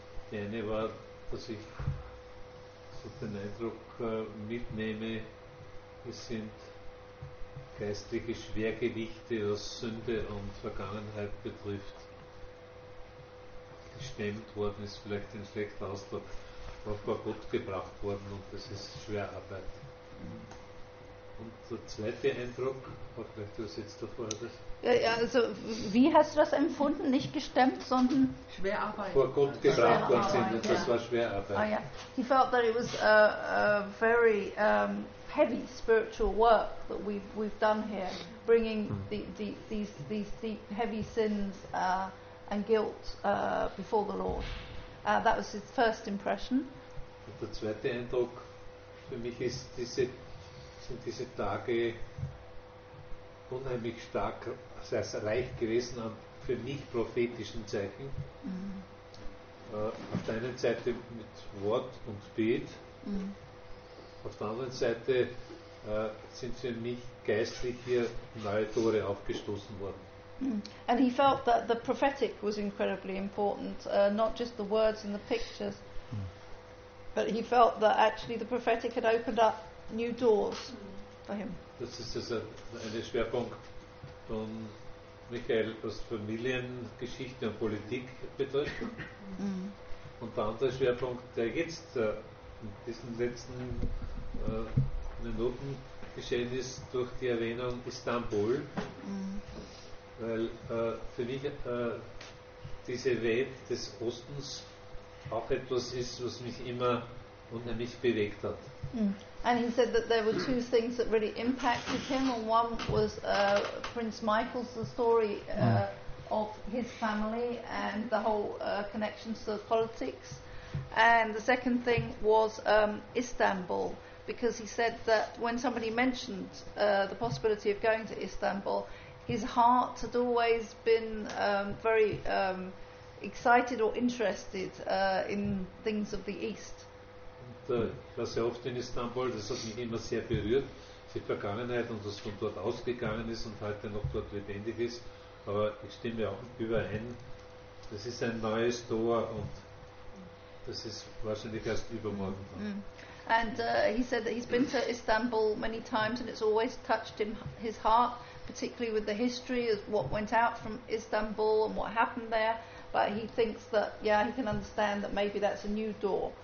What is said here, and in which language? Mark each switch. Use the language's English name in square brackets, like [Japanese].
[German] Die eine war, dass ich so den Eindruck mitnehme, wir sind geistliche Schwergewichte, was Sünde und Vergangenheit betrifft, gestemmt worden, ist vielleicht ein schlechter Ausdruck, auf Gott gebracht worden, und das ist Schwerarbeit. Und der zweite Eindruck, vielleicht du sitzt da vorher das. Ja, also wie hast du das empfunden? Nicht gestemmt, sondern Schwerarbeit. Vor Gott gebracht worden sind, und das war Schwerarbeit. Oh, ja. [English] He felt that it was very heavy spiritual work that we've done here, bringing these deep heavy sins and guilt before the Lord. That was his first impression. [German] Und der zweite Eindruck für mich ist, sind diese Tage unheimlich stark, sehr, sehr reich gewesen an für mich prophetischen Zeichen. Auf der einen Seite mit Wort und Bet. Auf der anderen Seite sind für mich geistlich hier neue Tore aufgestoßen worden. [English] And he felt that the prophetic was incredibly important, not just the words and the pictures, but he felt that actually the prophetic had opened up new doors for him. [German] Das ist also ein Schwerpunkt von Michael, was Familiengeschichte und Politik betrifft. Und der andere Schwerpunkt, der jetzt in diesen letzten Minuten geschehen ist, durch die Erwähnung Istanbul, weil für mich diese Welt des Ostens auch etwas ist, was mich immer unheimlich bewegt hat. [English] And he said that there were two things that really impacted him, and one was Prince Michael's, the story of his family and the whole connection to the politics, and the second thing was Istanbul. Because he said that when somebody mentioned the possibility of going to Istanbul, his heart had always been very excited or interested in things of the East. [German] Und, ich war sehr oft in Istanbul, das hat mich immer sehr berührt, die Vergangenheit und was von dort ausgegangen ist und heute noch dort lebendig ist. Aber ich stimme auch überein, das ist ein neues Tor und das ist wahrscheinlich erst übermorgen dann. [English] And he said that he's been to Istanbul many times and it's always touched him, his heart, particularly with the history of what went out from Istanbul and what happened there. But he thinks that, yeah, he can understand that maybe that's a new door.